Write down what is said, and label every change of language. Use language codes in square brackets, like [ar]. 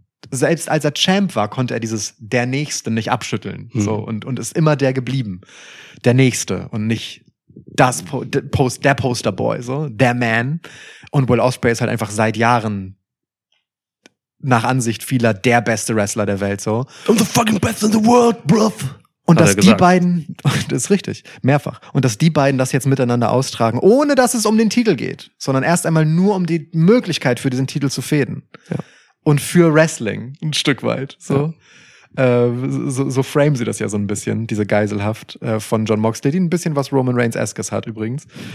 [de] Selbst als er Champ war, konnte er dieses der Nächste nicht abschütteln, so, und ist immer der geblieben. Der Nächste und nicht das der Posterboy, so, der Man. Und Will Ospreay ist halt einfach seit Jahren nach Ansicht vieler der beste Wrestler der Welt, so. [en] I'm the fucking best in the world, bruv. [de] Und dass die beiden, das ist richtig, mehrfach, und dass die beiden das jetzt miteinander austragen, ohne dass es um den Titel geht, sondern erst einmal nur um die Möglichkeit für diesen Titel zu fäden. Ja. Und für Wrestling, ein Stück weit, so. Ja. So frame sie das ja so ein bisschen, diese Geiselhaft von Jon Moxley, die ein bisschen was Roman Reigns-eskes hat übrigens.